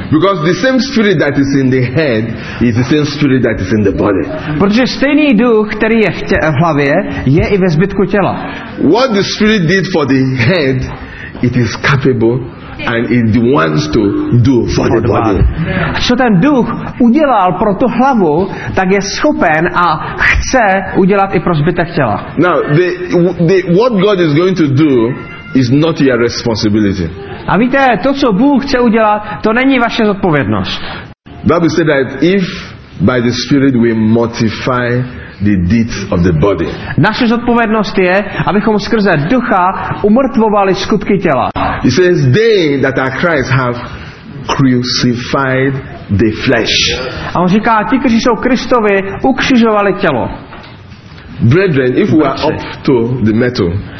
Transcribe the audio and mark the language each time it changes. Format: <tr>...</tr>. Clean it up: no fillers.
<en>Because the same spirit that is in the head is the same spirit that is in the body.</en> <cs>Protože stejný duch, který je v hlavě, je i ve zbytku těla.</cs> <en>What the spirit did for the head, it is capable and it wants to do for the body.</en> <cs>A co ten duch udělal pro tu hlavu, tak je schopen a chce udělat i pro zbytek těla.</cs> <en>Now, what God is going to do is not your responsibility.</en> <cs>A víte, to, co Bůh chce udělat, to není vaše zodpovědnost.</cs> <en>Bible said that if by the Spirit we mortify the deeds of the body.</en> <cs>Naše zodpovědnost je, abychom skrze ducha umrtvovali skutky těla.</cs> <en>He says, they that are Christ have crucified the flesh.</en> <cs>A on říká, ti, kteří jsou Kristovi, ukřižovali tělo.</cs> <en>Brethren, if we are up to the metal,</en>